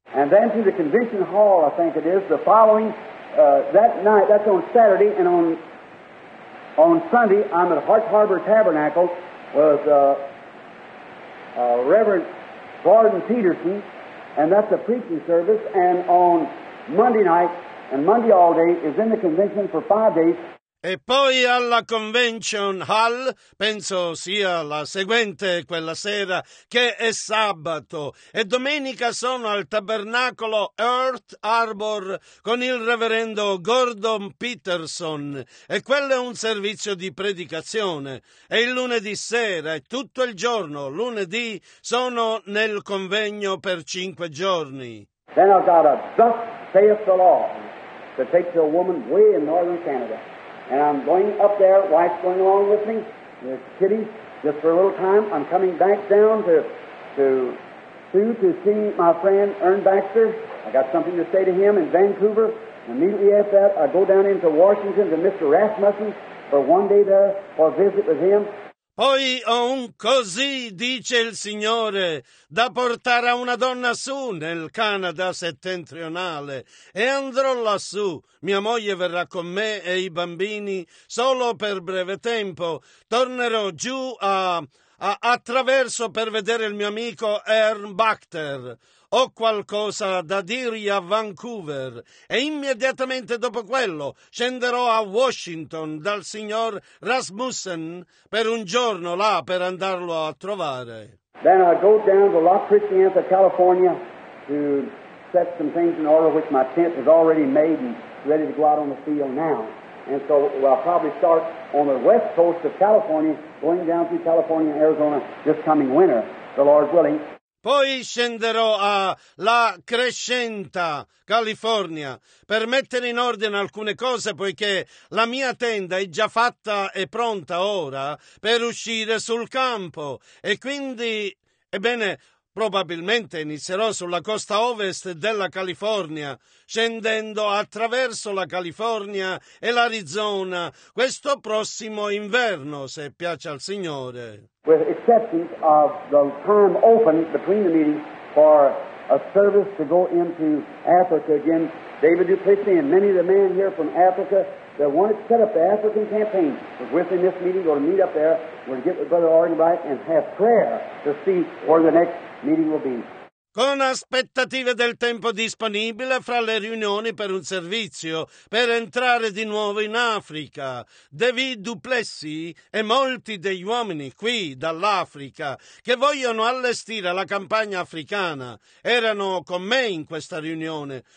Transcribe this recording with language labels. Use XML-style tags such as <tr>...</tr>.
<en>And then to the convention hall, I think it is, the following that night, that's on Saturday, and on Sunday, I'm at Heart Harbor Tabernacle with Reverend Gordon Peterson, and that's a preaching service, and on Monday night, and Monday all day, is in the convention for 5 days.</en> <it>E poi alla convention hall, penso sia la seguente quella sera, che è sabato, e domenica sono al tabernacolo Earth Harbor con il reverendo Gordon Peterson, e quello è un servizio di predicazione. E il lunedì sera e tutto il giorno, lunedì, sono nel convegno per 5 giorni.</it> <en>Then I've got a thus saith the law to take to a woman way in northern Canada. And I'm going up there, wife's going along with me, the kiddies, just for a little time. I'm coming back down to see my friend Ern Baxter. I got something to say to him in Vancouver. Immediately after that, I go down into Washington to Mr. Rasmussen for 1 day there for a visit with him.</en> <it>Poi ho un così, dice il Signore, da portare a una donna su nel Canada settentrionale, e andrò lassù, mia moglie verrà con me e i bambini, solo per breve tempo, tornerò giù attraverso per vedere il mio amico Ern Bachter. Ho qualcosa da dirgli a Vancouver, e immediatamente dopo quello scenderò a Washington dal signor Rasmussen per un giorno là per andarlo a trovare.</it> <en>Then I go down to La Crescenta, California, to set some things in order, which my tent is already made and ready to go out on the field now. And so I'll probably start on the west coast of California, going down through California and Arizona this coming winter, the Lord willing.</en> <it>Poi scenderò a La Crescenta, California, per mettere in ordine alcune cose, poiché la mia tenda è già fatta e pronta ora per uscire sul campo. E quindi, ebbene, probabilmente inizierò sulla costa ovest della California, scendendo attraverso la California e l'Arizona questo prossimo inverno, se piace al Signore.</it> <en>With exception of the time open between the meetings for a service to go into Africa again, David Duplessis and many of the men here from Africa that wanted to set up the African campaign was within this meeting, going to meet up there, we're going to get with Brother Oregon Wright and have prayer to see where the next meeting will be.</en> <it>Con aspettative del tempo disponibile fra le riunioni per un servizio per entrare di nuovo in Africa, David Duplessis e molti degli uomini qui dall'Africa che vogliono allestire la campagna africana erano con me in questa riunione.</it>